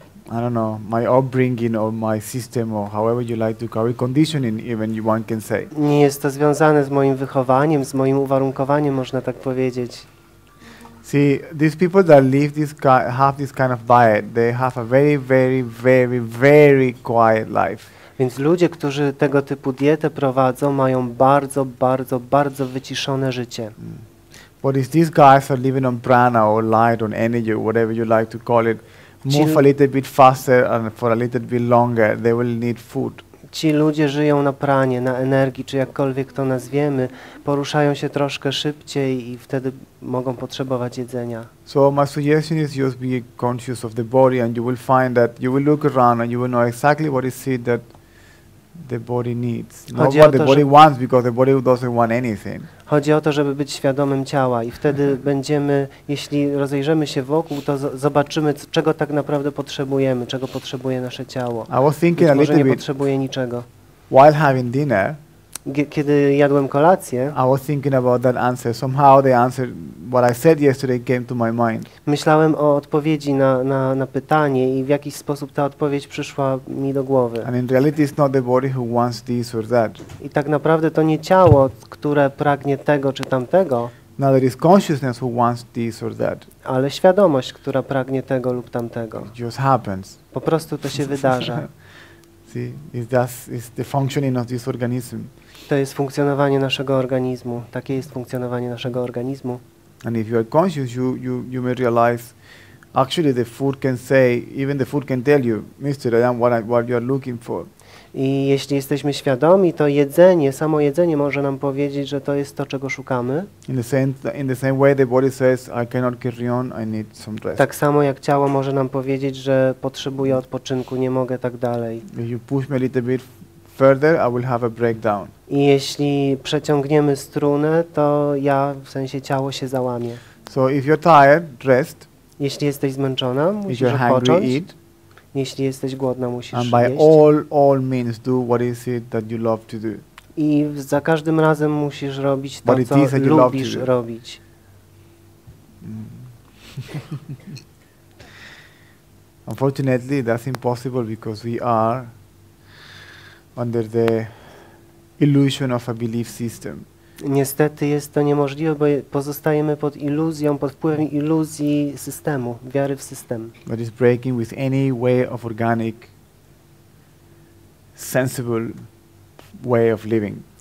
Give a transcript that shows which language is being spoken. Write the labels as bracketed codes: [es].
[en] I don't know, my upbringing or my system or however you like to call it, conditioning even you one can say. [pl] Nie jest to związane z moim wychowaniem, z moim uwarunkowaniem, można tak powiedzieć. [en] See, these people that live this have this kind of diet, they have a very, very, very, very quiet life. [pl] Więc ludzie, którzy tego typu dietę prowadzą, mają bardzo, bardzo, bardzo wyciszone życie. [en] But if these guys are living on prana or light or energy or whatever you like to call it, move a little bit faster and for a little bit longer, they will need food. [pl] Ci ludzie żyją na pranie, na energii, czy jakkolwiek to nazwiemy, poruszają się troszkę szybciej i wtedy mogą potrzebować jedzenia. [en] So my suggestion is just be conscious of the body and you will find that you will look around and you will know exactly what is it that the body needs. Not what the body wants, because the body doesn't want anything. [pl] Chodzi o to, żeby być świadomym ciała i wtedy będziemy, jeśli rozejrzymy się wokół, to zobaczymy, czego tak naprawdę potrzebujemy, czego potrzebuje nasze ciało. [en] I was thinking a little [pl] nie potrzebuje niczego. [en] While having dinner, [pl] kiedy jadłem kolację, [en] I was thinking about that answer. Somehow the answer, what I said yesterday, came to my mind. [pl] Myślałem o odpowiedzi na pytanie i w jakiś sposób ta odpowiedź przyszła mi do głowy. [en] And in reality, it's not the body who wants this or that. [pl] I tak naprawdę to nie ciało, które pragnie tego czy tamtego. [en] No, it is consciousness who wants this or that. [pl] Ale świadomość, która pragnie tego lub tamtego. [en] It just happens. [pl] Po prostu to się wydarza. [en] See, it's the functioning of this organism. [pl] To jest funkcjonowanie naszego organizmu. Takie jest funkcjonowanie naszego organizmu. [en] And if you are conscious, you may realize, actually the food can say, even the food can tell you, Mister, I am what you are looking for. [pl] I jeśli jesteśmy świadomi, to jedzenie, samo jedzenie może nam powiedzieć, że to jest to, czego szukamy. [en] In the same way the body says, I cannot carry on, I need some rest. [pl] Tak samo jak ciało może nam powiedzieć, że potrzebuję odpoczynku, nie mogę tak dalej. [en] If you push me a little bit further, I will have a breakdown. [pl] I jeśli przeciągniemy strunę, to ja, w sensie ciało, się załamie. [en] So if you're tired, rest. [pl] Jeśli jesteś zmęczona, musisz [en] if you're hungry, [pl] odpocząć. [en] Eat. [pl] Jeśli jesteś głodna, musisz [en] and by [pl] jeść. [en] All means do what is it that you love to do. [pl] I za każdym razem musisz robić to, co lubisz robić. [en] Unfortunately, that's impossible because we are under the illusion of a belief system. [pl] Niestety jest to niemożliwe, bo pozostajemy pod iluzją, pod wpływem iluzji systemu, wiary w system. [en] That is breaking with any way of organic, sensible way of living.